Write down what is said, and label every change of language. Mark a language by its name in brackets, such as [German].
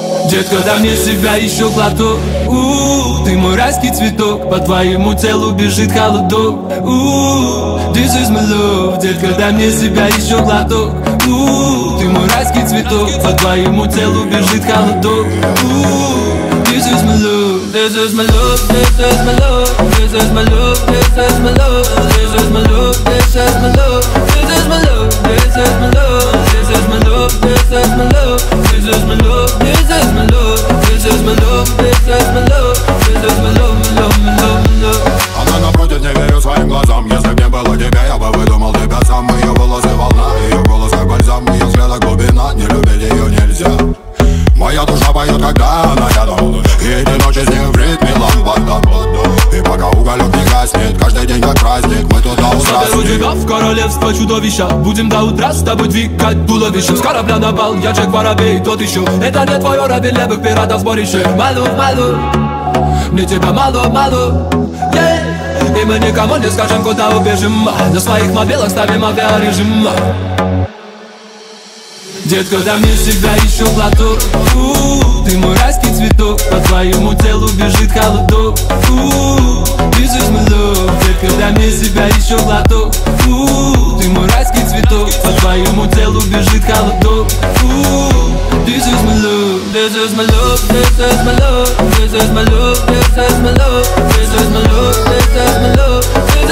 [Russian] Детка, дай мне себя еще глоток. Ты мой райский цветок, по твоему телу бежит холодок. [English] This is my love. [Russian] Детка, дай мне себя еще глоток. Ты мой райский цветок, по твоему телу бежит холодок. [English] This is my love, this is my love, this is my love, this is my love, this is my love, this is my love, this is my love, this is my love, this is my love, this is my love, this is my love, this is my love, this is my love, this is my love, this is my love, this is my love, my love, my love, my love. [Russian] Она напротив, не верю своим глазам. Если б не было тебя, я бы выдумал тебя сам. Ее волосы волна, ее голос как бальзам. Ее взгляд как глубина, не любить ее нельзя. Моя душа поет, когда она рядом. И эти ночи с ней в ритме лампада. И пока уголек не гаснет, каждый день как праздник, мы туда усрастим. Заберу тебя в королевство чудовища. Будем до утра с тобой двигать туловище. С корабля на бал, я Джек Воробей, тот еще. Это не твой орабель, левых пиратов сборище. Малу, малу, мне тебя мало, мало. И мы никому не скажем, куда убежим. На своих мобилах ставим авиарежим. Детка, дай мне себя еще глоток. Ты мой райский цветок, по твоему телу бежит холодок. [English] This is my love. [Russian] Детка, дай мне себя еще глоток. Ты мой райский цветок, по твоему телу бежит холодок. [English] This is my love, this is my love, this is my love, this is my love, this is my love, this is my love, this is my love.